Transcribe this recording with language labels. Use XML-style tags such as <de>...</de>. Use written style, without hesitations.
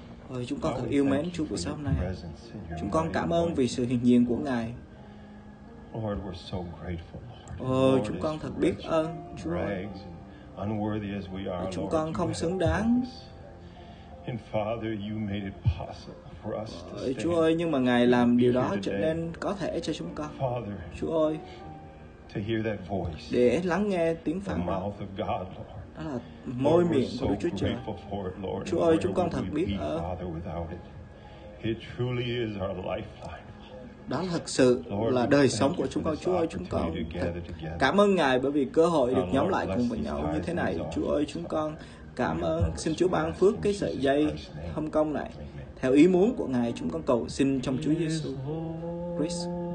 <vi>Ôi, chúng con thật yêu mến Chúa buổi sáng hôm nay. Chúng con cảm ơn vì sự hiện diện của Ngài.</vi> <en>Lord, we're so grateful.</en> <vi>Ôi, chúng con thật biết ơn Chúa.</vi> <en>Unworthy as we are,</en> <vi>chúng con không xứng đáng.</vi> <en>And Father, you made it possible for us to stand.</en> <vi>Chúa ơi, nhưng mà Ngài làm điều đó trở nên có thể cho chúng con.</vi> <en>Father,</en> <vi>Chúa ơi,</vi> <en>to hear that voice,</en> <vi>để lắng nghe tiếng phán đó.</vi> <en>Mouth of God, Lord.</en> <vi>Đó là môi miệng của Đức Chúa Trời. Chúa ơi, chúng con thật biết ơn.</vi> <en>Father, without it, it truly is our lifeline.</en> <vi>Đó thật sự là đời sống của chúng con. Chúa ơi, chúng con cảm ơn Ngài bởi vì cơ hội được nhóm lại cùng với nhau như thế này. Chúa ơi, chúng con cảm ơn. Xin Chúa ban phước cái sợi dây hâm công này. Theo ý muốn của Ngài, chúng con cầu xin trong Chúa Giêsu Christ.</vi>